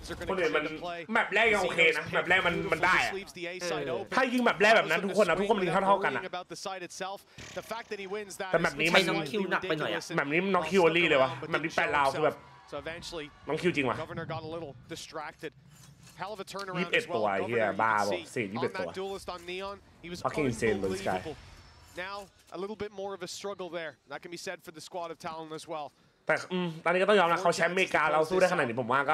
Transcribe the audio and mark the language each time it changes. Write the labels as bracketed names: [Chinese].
[Thai] คนอื่นมันแบบแรกยังโอเคนะแบบแรกมันได้อ่ะถ้ายิงแบบแรกแบบนั้นทุกคนนะทุกคนมันเท่าๆกันอ่ะแต่แบบนี้มัน น้องคิวหนักไปหน่อยอ่ะ แบบนี้น้องคิวอลี่เลยวะแบบนี้แปดลาวคือแบบน้องคิวจริงวะ21ตัวเฮียบ้าบอก41ตัว [English] fucking insane [Thai] เลยสกาย [English] now a little bit more of a struggle there. That can be said for the squad of Talon as well. [Thai] แต่ตอนนี้ก็ต้องยอมนะเขาแชมป์อเมริกาเราสู้ได้ขนาดนี้ผมว่าก